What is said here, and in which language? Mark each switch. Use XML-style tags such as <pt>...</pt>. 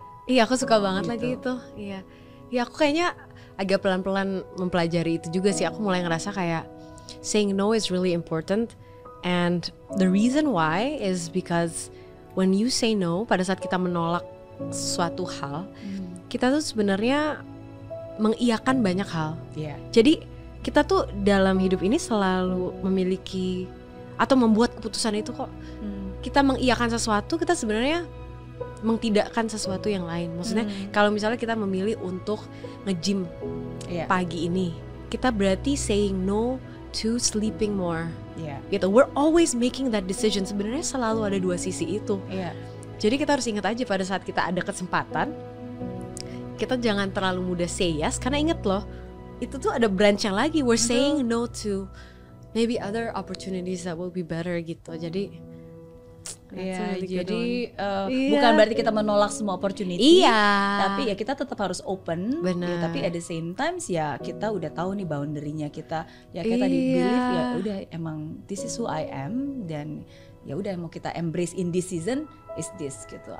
<id>Iya, aku suka banget gitu. Lagi itu. Iya, ya aku kayaknya agak pelan-pelan mempelajari itu juga sih. Aku mulai ngerasa kayak</id> <en>saying no is really important. And the reason why is because when you say no,</en> <id>pada saat kita menolak suatu hal, kita tuh sebenarnya mengiyakan banyak hal. Yeah. Jadi kita tuh dalam hidup ini selalu memiliki atau membuat keputusan itu kok. Kita mengiyakan sesuatu, kita sebenarnya mengtidakkan sesuatu yang lain. Maksudnya kalau misalnya kita memilih untuk nge-gym yeah. pagi ini, kita berarti</id> <en>saying no to sleeping more yeah. gitu. We're always making that decision.</en> <id>Sebenarnya selalu ada dua sisi itu yeah. Jadi kita harus ingat aja pada saat kita ada kesempatan, kita jangan terlalu mudah</id> <en>say yes.</en> <id>Karena ingat loh, itu tuh ada branch yang lagi.</id> <en>We're saying no to maybe other opportunities that will be better gitu.</en> <id>Jadi ya, jadi bukan berarti kita menolak semua opportunity tapi ya kita tetap harus open ya, tapi</id> <en>at the same time</en> <id>ya kita udah tahu nih boundary-nya kita ya kita di believe ya udah emang</id> <en>this is who I am</en> <id>dan ya udah mau kita embrace</id> <en>in this season is this</en> <id>gitu.</id>